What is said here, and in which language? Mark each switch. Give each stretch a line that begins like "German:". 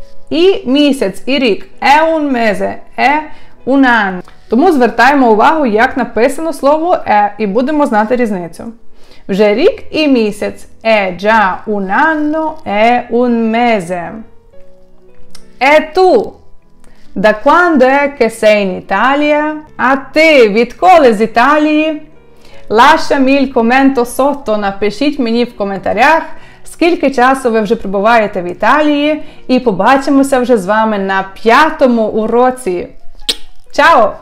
Ukrainian: «І» місяць, «і» рік, «е» un mese, «е» un anno». Тому звертаємо увагу, як написано слово «е», і будемо знати різницю. Вже рік і місяць, «е»
Italian: già un anno,
Ukrainian: «е» un mese. «Е» ту.
Italian: Da quando è che sei in Italia?
Ukrainian: A te, відколи з Італії?
Italian: Lasciami il commento sotto,
Ukrainian: напишіть мені в коментарях, скільки часу ви вже перебуваєте в Італії, і побачимося вже з вами на п'ятому уроці. Чао!